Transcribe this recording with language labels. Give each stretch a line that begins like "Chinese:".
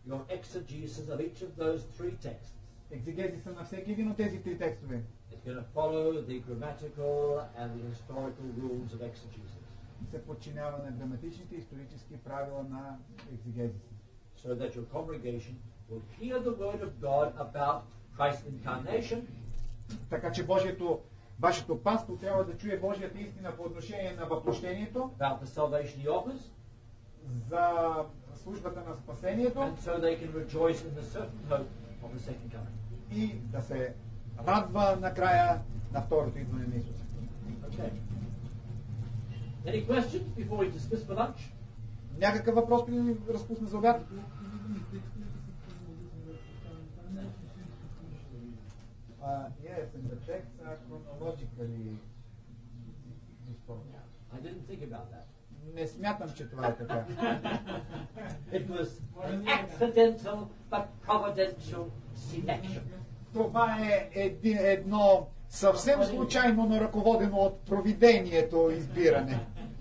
English: your exegesis of each of those three texts.
Bulgarian: Екзегезиса на всеки един от тези три текстове.
English: It's going to follow the grammatical and the historical rules of exegesis.
Bulgarian: Се подчинява на граматичните и исторически правила на екзегезиса.
English: So that your congregation will hear the word of God about Christ's incarnation.
Bulgarian: Така че вашето паство трябва да чуе Божията истина по отношение на въплощението.
English: About the salvation he offers.
Bulgarian: За службата на спасението.
English: And so they can rejoice in the certain hope of the second coming.
Bulgarian: И да се радва накрая на второто идване на Исус.
English: Okay. Any questions before we dismiss for lunch?
Bulgarian: Някакъв въпрос преди ни разпусна за обяд?
English: Yes, and the texts are chronologically historical. I didn't think about that.
Bulgarian: Не смятам, че това е така.
English: It was an accidental but providential selection.
Bulgarian: Това е едно съвсем случайно, но ръководено от провидението избиране.